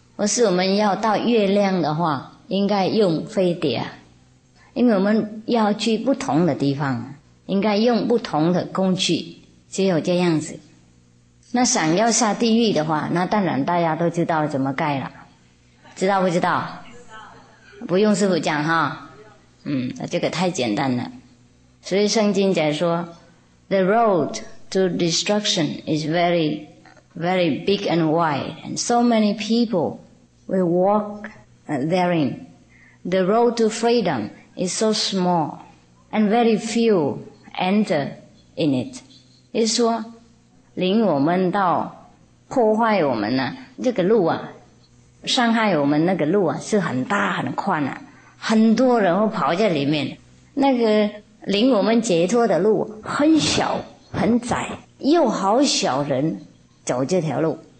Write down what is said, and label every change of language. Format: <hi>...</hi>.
<zh>或是我们要到月亮的话，应该用飞碟啊，因为我们要去不同的地方，应该用不同的工具，只有这样子。那想要下地狱的话，那当然大家都知道怎么盖了，知道不知道？不用师父讲哈，这个太简单了。所以圣经讲说</zh> <en>The road to destruction is very very big and wide, and so many people will walk therein. The road to freedom is so small and very few enter in it.</en> <zh>也说领我们到破坏我们呢、这个路啊，伤害我们那个路啊，是很大很宽啊，很多人会跑在里面。那个领我们解脱的路很小很窄，又好小人走这条路。</zh>